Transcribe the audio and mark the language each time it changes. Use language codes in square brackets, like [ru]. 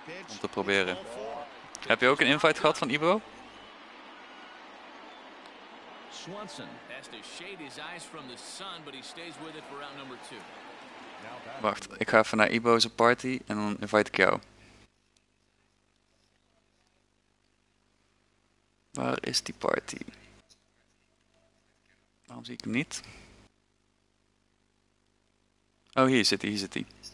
[nl] Om te proberen. Heb je ook een invite gehad van Ibo? [en] Swanson has to shade his eyes from the sun, but he stays with it for round number two. [nl] Wacht, ik ga even naar Ibo's party en dan invite ik jou. Waar is die party? Waarom zie ik hem niet? Oh, hier zit hij, hier zit hij.